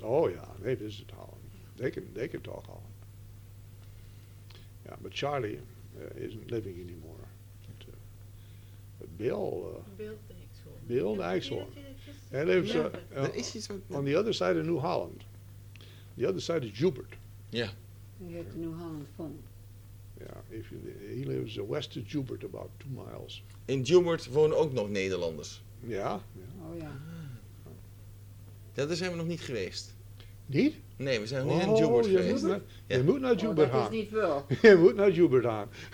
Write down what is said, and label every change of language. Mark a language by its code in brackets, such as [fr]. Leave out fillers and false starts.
[en] Oh ja, they visit Holland. They can talk Holland. Yeah, but Charlie isn't living anymore. But Bill Dijkshoorn. [nl] Hij leeft [en] on the other side of New Holland. The other side is Joubert. Yeah. He had the New Holland phone. Yeah, he lives west of Joubert, about 2 miles. [nl] In Joubert wonen ook nog Nederlanders. Ja. Yeah. Yeah. Oh ja. Yeah. Ah. Daar zijn we nog niet geweest. Niet? Nee, we zijn niet in Joubert geweest. Je moet naar Joubert gaan. Dat is niet veel. Je moet naar Joubert gaan.